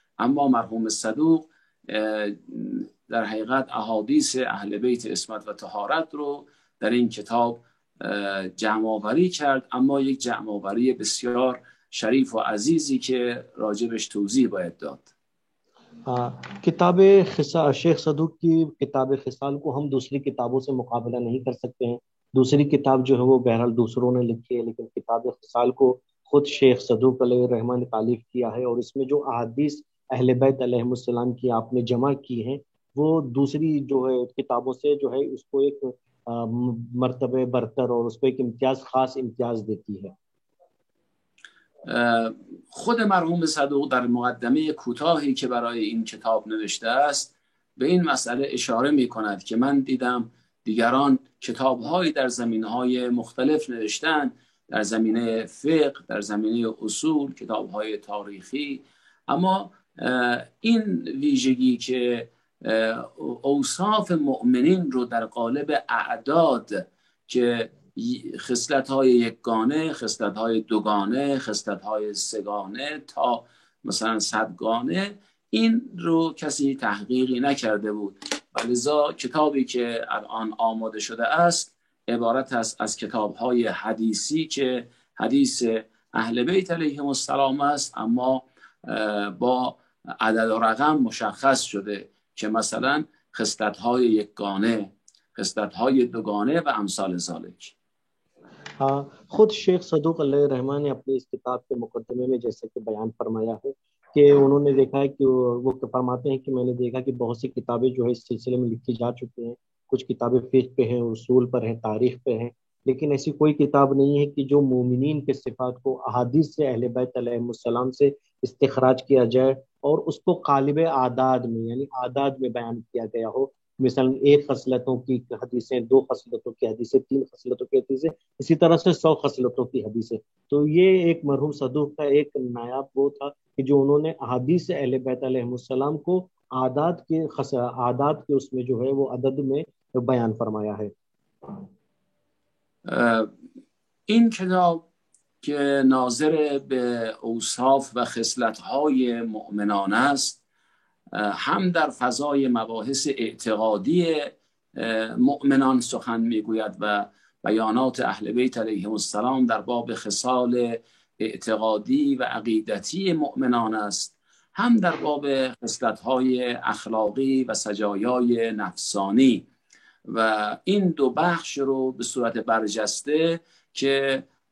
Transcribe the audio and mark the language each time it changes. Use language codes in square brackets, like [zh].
[fa] اما مرحوم صدوق در حقیقت احادیث اهل بیت عصمت و طهارت رو در این کتاب جمع‌آوری کرد، اما یک جمع‌آوری بسیار شریف و عزیزی که راجبش توضیح باید داد. [ur] کتاب شیخ صدوق کی کتاب خصال کو ہم دوسری کتابوں سے مقابلہ نہیں کر سکتے ہیں. دوسری کتاب جو ہے وہ بہرحال دوسروں نے لکھی ہے، لیکن کتاب خصال کو خود شیخ صدوق علیہ الرحمہ نے تالیف کیا ہے، اور اس میں جو احادیث اہل بیت علیہ السلام کی آپ نے جمع کی ہیں وہ دوسری جو ہے کتابوں سے جو ہے اس کو ایک مرتبہ برتر اور اس کو ایک امتیاز، خاص امتیاز دیتی ہے. [fa] خود مرحوم صدوق در مقدمه کوتاهی که برای این کتاب نوشته است به این مسئله اشاره می کند که من دیدم دیگران کتابهایی در زمینهای مختلف نوشتن، در زمینه فقه، در زمینه اصول، کتابهای تاریخی، اما این ویژگی که اوصاف مؤمنین رو در قالب اعداد که خصلت های یکگانه، خصلت های دوگانه، خصلت های سگانه تا مثلا صدگانه، این رو کسی تحقیقی نکرده بود، ولذا کتابی که الان آماده شده است عبارت است از کتاب های حدیثی که حدیث اهل بیت علیهم السلام است، اما با عدد و رقم مشخص شده که مثلا خصلت های یکگانه، خصلت های دوگانه و امثال ذلک. [ur] خود شیخ صدوق علیہ الرحمٰن نے اپنی اس کتاب کے مقدمے میں جیسا کہ بیان فرمایا ہے کہ انہوں نے دیکھا ہے کہ وہ فرماتے ہیں کہ میں نے دیکھا کہ بہت سی کتابیں جو ہے اس سلسلے میں لکھی جا چکی ہیں، کچھ کتابیں فقہ پہ ہیں، اصول پر ہیں، تاریخ پہ ہیں، لیکن ایسی کوئی کتاب نہیں ہے کہ جو مومنین کے صفات کو احادیث سے اہل بیت علیہ السلام سے استخراج کیا جائے اور اس کو قالب اعداد میں، یعنی اعداد میں بیان کیا گیا ہو، مثلا ایک خصلتوں کی حدیثیں، دو خصلتوں کی حدیثیں، تین خصلتوں کی حدیثیں، اسی طرح سے 100 خصلتوں کی حدیثیں. تو یہ ایک مرحوم صدوق کا ایک نایاب وہ تھا کہ جو انہوں نے احادیث اہل بیت علیہ السلام کو اعداد کے اس میں جو ہے وہ عدد میں بیان فرمایا ہے. [fa] این کتاب کہ ناظر بے اوصاف و خصلت های مؤمنان است، هم در فضای مباحث اعتقادی مؤمنان سخن میگوید و بیانات اهل بیت علیهم السلام در باب خصال اعتقادی و عقیدتی مؤمنان است، هم در باب خصلت‌های اخلاقی و سجایای نفسانی، و این دو بخش رو به صورت برجسته که